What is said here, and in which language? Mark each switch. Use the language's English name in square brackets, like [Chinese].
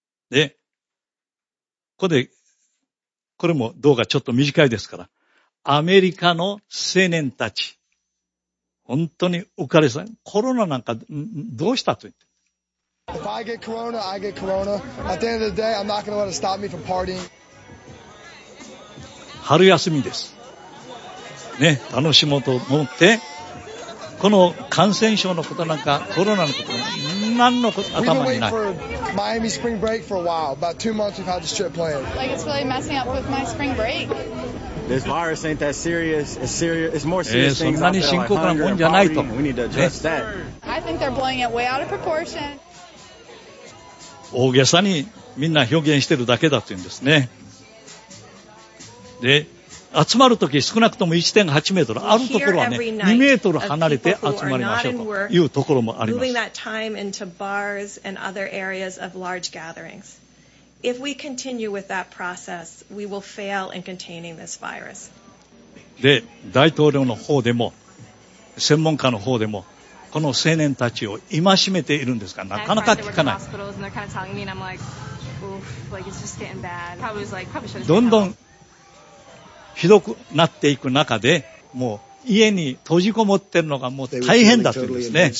[Japanese] で、これも動画ちょっと短いですから、アメリカの青年たち、本当に浮かれ騒ぎ、コロナなんかどうしたと言って、 [English] If I get corona, I get corona. At the end of the day, I'm not going to let it stop me from partying. [Japanese] 春休みです。ね、楽しもうと思って、この感染症のことなんか、コロナのこと、何のこと頭にない。 [English] Miami spring break for a while. About 2 months we've had this trip planned. Like it's really messing up with my spring break. This virus ain't that serious. It's serious. It's more serious. [Japanese] そんなに深刻なもんじゃないと。 [English] We need to adjust that. I think they're blowing it way out of proportion. [Japanese] 大げさにみんな表現してるだけだというんですね。で、集まるとき少なくとも 1.8 メートル、あるところはね、2メートル離れて集まりましょうというところもあります。 [English] Moving that time into bars and other areas of large gatherings. If we continue with that process, we will fail in containing this virus. [Japanese] で、大統領の方でも、専門家の方でも、この青年たちを戒めているんですが、なかなか聞かない。どんどん、ひどくなっていく中で、もう家に閉じこもっているのがもう大変だというんですね。